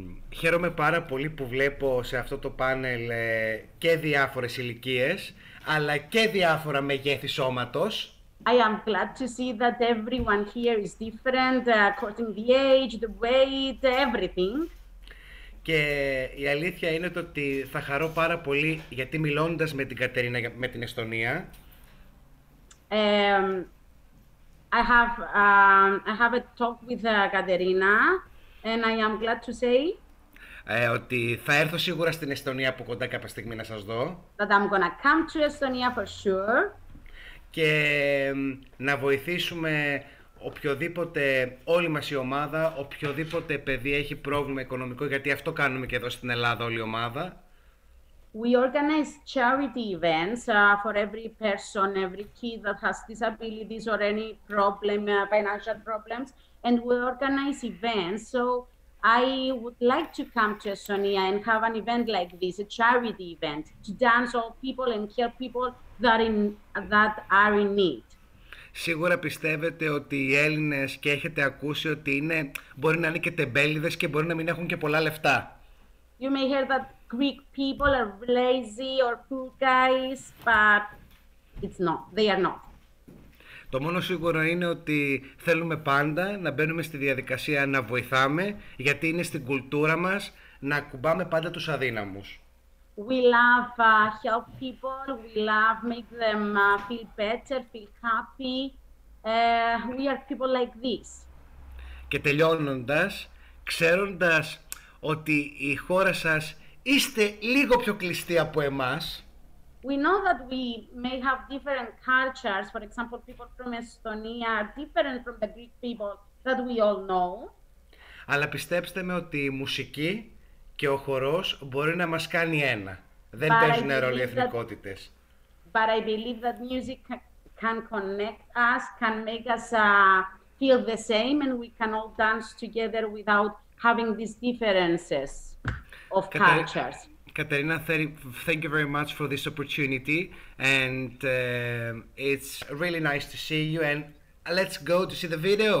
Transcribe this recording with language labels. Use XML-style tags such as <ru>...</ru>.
<el>Χαίρομαι πάρα πολύ που βλέπω σε αυτό το πάνελ και διάφορες ηλικίες, αλλά και διάφορα μεγέθη σώματος.</el> <en>I am glad to see that everyone here is different according to the age, the weight, everything.</en> <el>Και η αλήθεια είναι το ότι θα χαρώ πάρα πολύ γιατί μιλώντας με την Κατερίνα με την Εστονία.</el> <en>I have a talk with Katerina and I am glad to say</en> <el>ότι θα έρθω σίγουρα στην Εστονία από κοντά κάποια στιγμή να σας δω.</el> <en>That I'm gonna come to Estonia for sure.</en> <el>Και να βοηθήσουμε οποιοδήποτε, όλη μας η ομάδα, οποιοδήποτε παιδί έχει πρόβλημα οικονομικό, γιατί αυτό κάνουμε και εδώ στην Ελλάδα όλη η ομάδα.</el> <en>We organize charity events for every person, every kid that has disabilities or any problem, financial problems, and we organize events. So I would like to come to Estonia and have an event like this, a charity event, to dance all people and help people that are in need.</en> <el>Σίγουρα πιστεύετε ότι οι Έλληνες και έχετε ακούσει ότι είναι, μπορεί να είναι και τεμπέληδες και μπορεί να μην έχουν και πολλά λεφτά.</el> <en>You may hear that Greek people are lazy or poor guys, but it's not. They are not.</en> <el>Το μόνο σίγουρο είναι ότι θέλουμε πάντα να μπαίνουμε στη διαδικασία να βοηθάμε, γιατί είναι στην κουλτούρα μας να ακουμπάμε πάντα τους αδύναμους.</el> <en>We love help people. We love make them feel better, feel happy. We are people like this.</en> <el>Και τελειώνοντας, ξέροντας ότι η χώρα σας είστε λίγο πιο κλειστοί από εμάς.</el> <en>We know that we may have different cultures, for example, people from Estonia are different from the Greek people that we all know.</en> <el>Αλλά πιστέψτε με ότι η μουσική και ο χορός μπορεί να μας κάνει ένα. Δεν παίζουν ρόλο οι εθνικότητες.</el> <en>But I believe that music can connect us, can make us feel the same and we can all dance together without having these differences of cultures. Katerina, thank you very much for this opportunity and it's really nice to see you and let's go to see the video.</en>